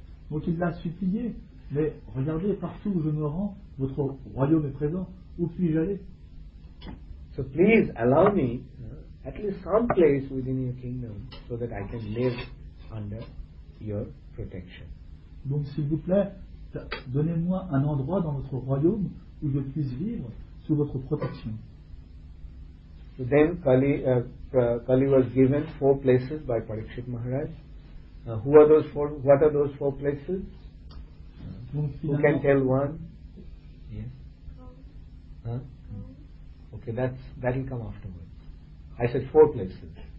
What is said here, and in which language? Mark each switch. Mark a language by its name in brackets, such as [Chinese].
[French] Donc il l'a supplié, mais regardez, partout où je me rends, votre royaume est présent. Où puis-je aller? [English] So please allow me at least some place within your kingdom so that I can live under your protection. [French] Donc s'il vous plaît, donnez-moi un endroit dans votre royaume où je puisse vivre sous votre protection. [English] So then Kali was given four places by Parikshit Maharaj. Who are those four? What are those four places? Who can tell one? Okay, that will come afterwards. I said four places.